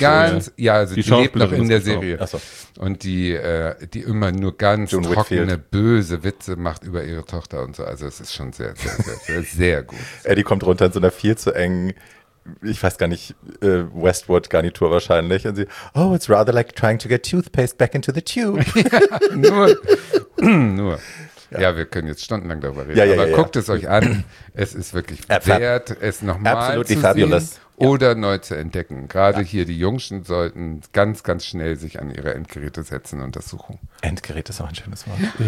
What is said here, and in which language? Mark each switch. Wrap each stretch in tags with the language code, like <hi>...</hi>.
<de>ganz, so, ja, also die lebt noch in der Serie. Ach so. Und die immer nur ganz June trockene, Whitfield. Böse Witze macht über ihre Tochter und so. Also es ist schon sehr, sehr, sehr, sehr, sehr gut. Eddie kommt runter in so einer viel zu engen, ich weiß gar nicht, Westwood-Garnitur wahrscheinlich. Und sie,</de> <en>oh, it's rather like trying to get toothpaste back into the tube.</en> <de>nur. Ja, wir können jetzt stundenlang darüber reden, aber guckt es euch an, es ist wirklich wert, es nochmal zu sehen</de> <en>fabulous.</en> <de>Oder neu zu entdecken. Gerade hier, die Jungschen sollten ganz, ganz schnell sich an ihre Endgeräte setzen und das suchen. Endgerät ist auch ein schönes Wort.</de>